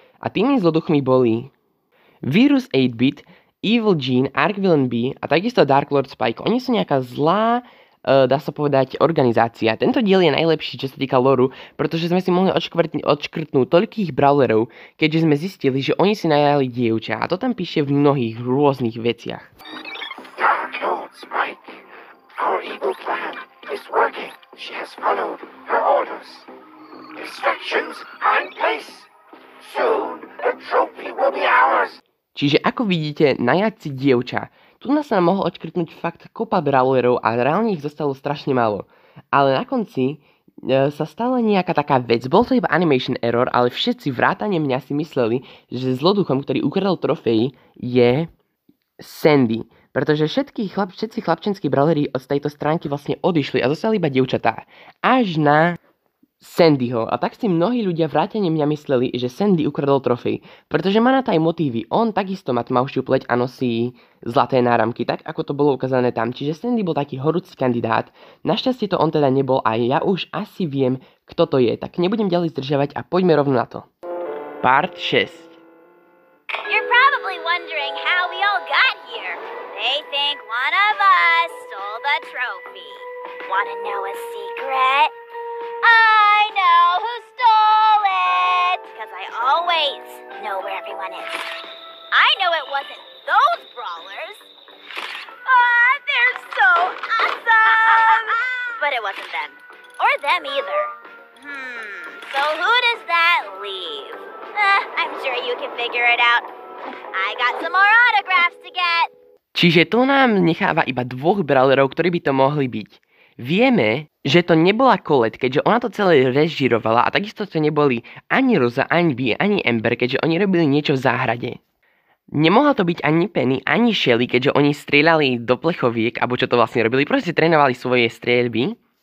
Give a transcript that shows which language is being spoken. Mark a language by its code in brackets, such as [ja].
[sk] A tými zloduchmi boli Virus 8-bit, Evil Jean, Arc Villain B a takisto Dark Lord Spike. Oni sú nejaká zlá, dá sa povedať, organizácia. Tento diel je najlepší, čo sa týka loru, pretože sme si mohli odškrtnúť toľkých brawlerov, keďže sme zistili, že oni si najali dievča a to tam píše v mnohých rôznych veciach. Dark Lord Spike. [en] Our evil plan is working. She has followed her orders. Distractions and place. Soon the trophy will be ours. [sk] Čiže ako vidíte, najať si dievča. Tu nás nám mohol odškrtnúť fakt kopa brawlerov a reálne ich zostalo strašne málo. Ale na konci sa stala nejaká taká vec. Bol to iba animation error, ale všetci vrátane mňa si mysleli, že zloduchom, ktorý ukradol trofej, je Sandy. Pretože všetci chlapčenskí brawleri od tejto stránky vlastne odišli a zostali iba dievčatá. Až na Sandyho. A tak si mnohí ľudia vrátane mňa mysleli, že Sandy ukradol trofej. Pretože má na taj motívy. On takisto má tmavšiu pleť a nosí zlaté náramky, tak ako to bolo ukázané tam. Čiže Sandy bol taký horúci kandidát. Našťastie to on teda nebol a ja už asi viem, kto to je. Tak nebudem ďalej zdržiavať a poďme rovno na to. [en] Part 6. You're probably wondering how we all got here. They think one of us stole the trophy. Wanna know a secret? I know who stole it! Because I always know where everyone is. I know it wasn't those brawlers. Ah, they're so awesome! But it wasn't them. Or them either. So who does that leave? I'm sure you can figure it out. I got some more autographs to get. [sk] Čiže to nám necháva iba dvoch brawlerov, ktorí by to mohli byť. Vieme, že to nebola Colette, keďže ona to celé režirovala a takisto to neboli ani Rosa, ani Bea, ani Amber, keďže oni robili niečo v záhrade. Nemohla to byť ani Penny, ani Shelly, keďže oni strieľali do plechoviek, alebo čo to vlastne robili, proste trénovali svoje strieľby.